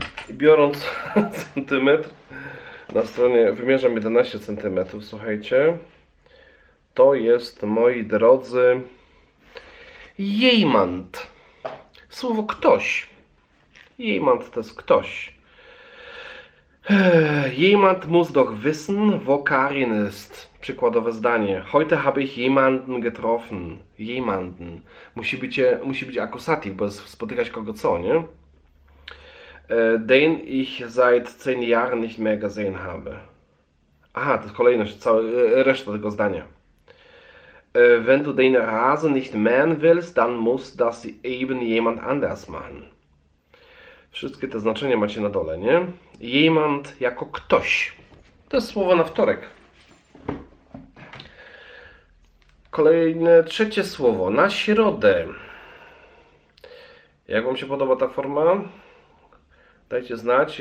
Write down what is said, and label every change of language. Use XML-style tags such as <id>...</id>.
<pl>Biorąc centymetr na stronie, wymierzam 11 centymetrów, słuchajcie, to jest, moi drodzy, jemand, słowo ktoś, jemand to jest ktoś.</pl> <de>Jemand muss doch wissen, wo Karin ist.</de> <pl>Przykładowe zdanie.</pl> <de>Heute habe ich jemanden getroffen. Jemanden.</de> <pl>Musi być akusativ, bo jest spotykać kogo co, nie?</pl> <de>Den ich seit 10 Jahren nicht mehr gesehen habe.</de> <pl>Aha, to kolejność, reszta tego zdania.</pl> <de>Wenn du den Rasen nicht mähen willst, dann muss das eben jemand anders machen.</de> <pl>Wszystkie te znaczenia macie na dole, nie? Jemand jako ktoś. To jest słowo na wtorek. Kolejne, trzecie słowo. Na środę. Jak wam się podoba ta forma? Dajcie znać.</pl>